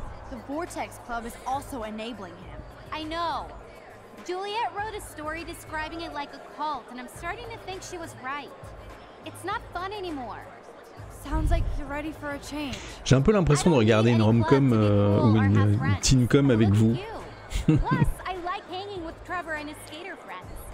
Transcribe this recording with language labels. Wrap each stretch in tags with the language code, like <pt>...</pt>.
<en>The Vortex Club is also enabling him. I know. Juliet wrote a story describing it like a cult, and I'm starting to think she was right. It's not fun anymore. Sounds like you're ready for a change.</en> <fr>J'ai un peu l'impression de regarder une rom-com ou une teen-com avec vous.</fr> <en>Plus, I like hanging with Trevor and his skater friends.</en>